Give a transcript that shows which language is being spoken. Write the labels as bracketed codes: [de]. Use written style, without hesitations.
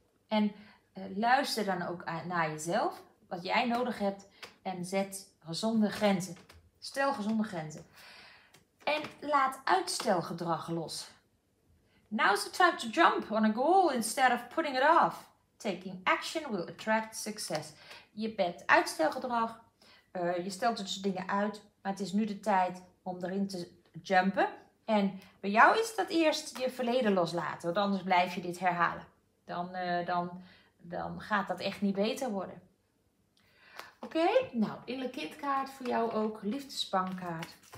[nl] En luister dan ook naar jezelf, wat jij nodig hebt. En zet gezonde grenzen. Stel gezonde grenzen. En laat uitstelgedrag los. [en] Now's the time to jump on a goal instead of putting it off. Taking action will attract success. [nl] Je bent uitstelgedrag. Je stelt dus dingen uit. Maar het is nu de tijd om erin te jumpen. En bij jou is dat eerst je verleden loslaten. Want anders blijf je dit herhalen. Dan gaat dat echt niet beter worden. Oké, nou, innerlijke kindkaart voor jou ook. Liefdespankaart.